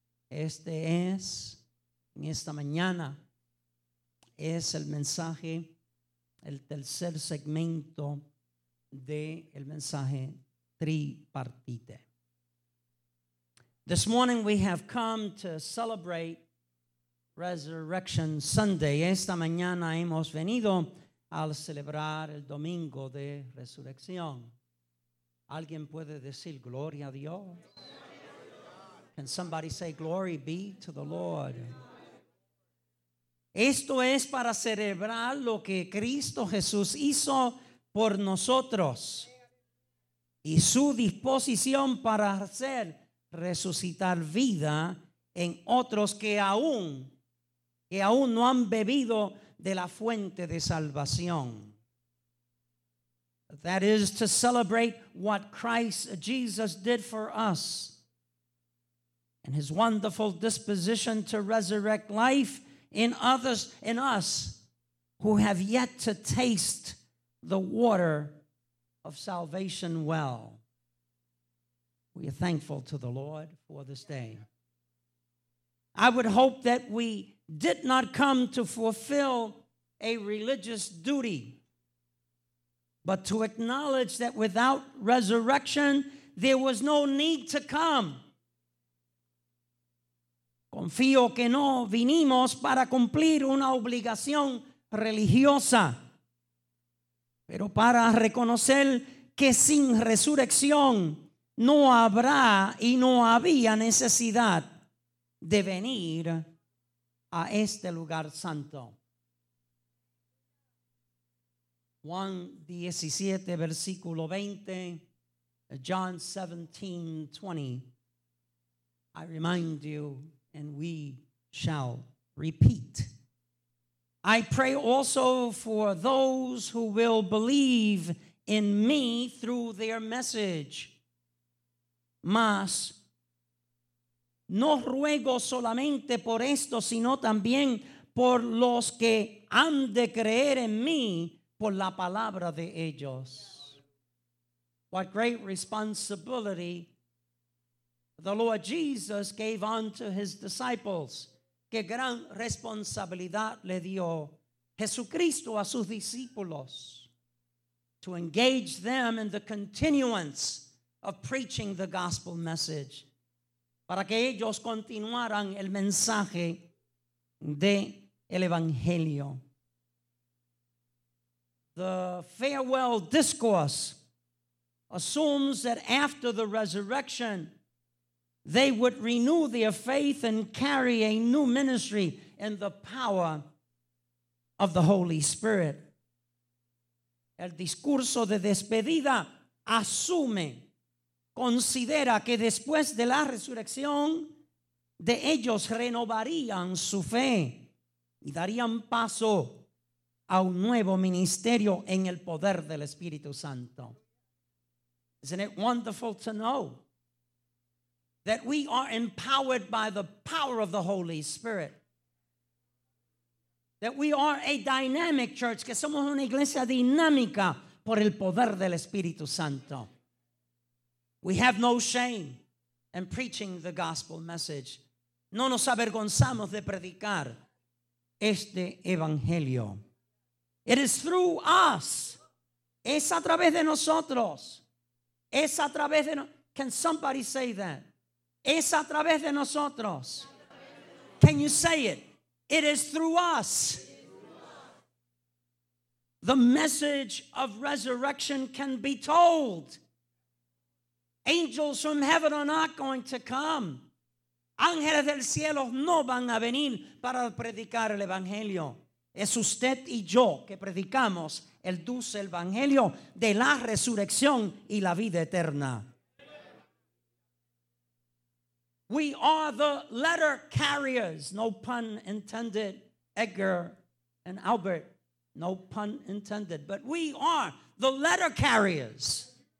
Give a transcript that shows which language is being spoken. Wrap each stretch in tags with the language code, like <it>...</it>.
<es>Este es, en esta mañana, es el mensaje, el tercer segmento de el mensaje tripartite.</es> <en>This morning we have come to celebrate Resurrection Sunday.</en> <es>Esta mañana hemos venido al celebrar el domingo de resurrección. ¿Alguien puede decir gloria a Dios?</es> <en>Can somebody say glory be to the Lord?</en> <es>Esto es para celebrar lo que Cristo Jesús hizo por nosotros y su disposición para hacer resucitar vida en otros que aún no han bebido de la fuente de salvación.</es> <en>That is to celebrate what Christ Jesus did for us and his wonderful disposition to resurrect life in others, in us who have yet to taste the water of salvation well. We are thankful to the Lord for this day. I would hope that we did not come to fulfill a religious duty, but to acknowledge that without resurrection, there was no need to come.</en> <es>Confío que no vinimos para cumplir una obligación religiosa, pero para reconocer que sin resurrección no habrá y no había necesidad de venir a este lugar santo. Juan 17, versículo 20,</es> <en>John 17, 20. I remind you, and we shall repeat. I pray also for those who will believe in me through their message.</en> <es>Mas no ruego solamente por esto, sino también por los que han de creer en mí por la palabra de ellos.</es> <en>What great responsibility the Lord Jesus gave unto his disciples.</en> <es>Qué gran responsabilidad le dio Jesucristo a sus discípulos</es> <en>to engage them in the continuance of preaching the gospel message,</en> <es>para que ellos continuaran el mensaje de el evangelio.</es> <en>The farewell discourse assumes that after the resurrection, they would renew their faith and carry a new ministry in the power of the Holy Spirit.</en> <es>El discurso de despedida asume, considera que después de la resurrección, de ellos renovarían su fe y darían paso a un nuevo ministerio en el poder del Espíritu Santo.</es> <en>Isn't it wonderful to know that we are empowered by the power of the Holy Spirit? That we are a dynamic church,</en> <es>que somos una iglesia dinámica por el poder del Espíritu Santo.</es> <en>We have no shame in preaching the gospel message.</en> <es>No nos avergonzamos de predicar este evangelio.</es> <en>It is through us.</en> <es>Es a través de nosotros. Es a través de nosotros.</es> <en>Can somebody say that?</en> <es>Es a través de nosotros.</es> <en>Can you say it? It is through us. The message of resurrection can be told. Angels from heaven are not going to come.</en> <es>Ángeles del cielo no van a venir para predicar el evangelio. Es usted y yo que predicamos el dulce evangelio de la resurrección y la vida eterna.</es> <en>We are the letter carriers, no pun intended, Edgar and Albert, no pun intended, but we are the letter carriers.</en>